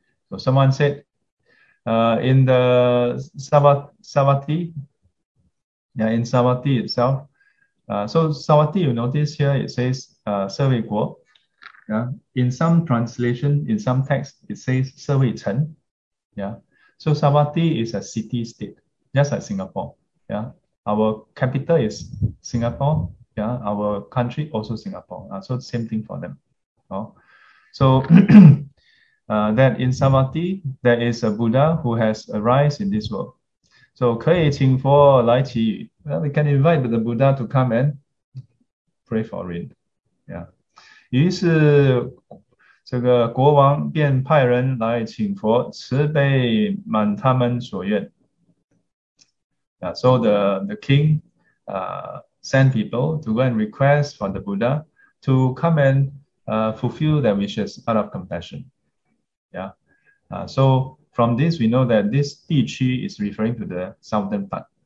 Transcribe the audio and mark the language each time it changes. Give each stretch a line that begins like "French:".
English: So someone said, in the Savatthi, yeah, in Savatthi itself, so Savatthi, you notice here it says, 社会国, yeah, in some translation, in some text, it says 社会城, yeah, so Savatthi is a city state, just like Singapore, yeah, our capital is Singapore, yeah, our country also Singapore, so same thing for them, oh. So, that in Samadhi, there is a Buddha who has arisen in this world. So,
Chinese: 可以请佛来祈雨.
English: Well, we can invite the Buddha to come and pray for rain. Yeah.
Chinese: 于是这个国王便派人来请佛慈悲满他们所愿.
English: Yeah, so, the king sent people to go and request for the Buddha to come and fulfill their wishes out of compassion. Yeah, so from this we know that this 地区 is referring to the southern part.